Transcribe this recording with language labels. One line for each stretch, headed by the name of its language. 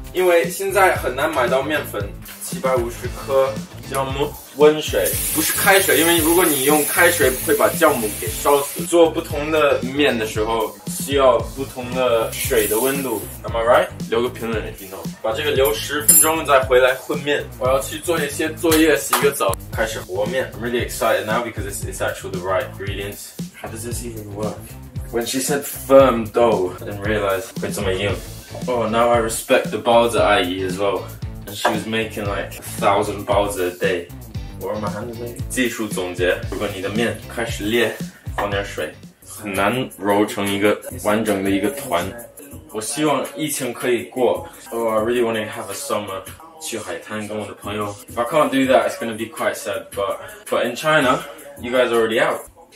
Chinese: 因为现在很难买到面粉，750克酵母温水，不是开水，因为如果你用开水会把酵母给烧死。做不同的面的时候需要不同的水的温度。
English: Am I right?
Chinese: 留个评论
English: if you know.
Chinese: 把这个留10分钟再回来混面。我要去做一些作业，洗个澡。开始和面。
English: I'm really excited now because it's actually the right ingredients. How does this even work? When she said firm dough, I didn't realize
Chinese: 会这么硬。
English: Oh, now I respect the 包子阿姨 as well. She was making like 1,000 baozi a day. What am I handling?
Chinese: 技术总结，如果你的面开始裂，放点水，很难揉成一个完整的一个团。我希望疫情可以过。
English: Oh, I really want to have a summer.
Chinese: 去海滩跟我的朋友。
English: If I can't do that, it's going to be quite sad. But in China, you guys are already out.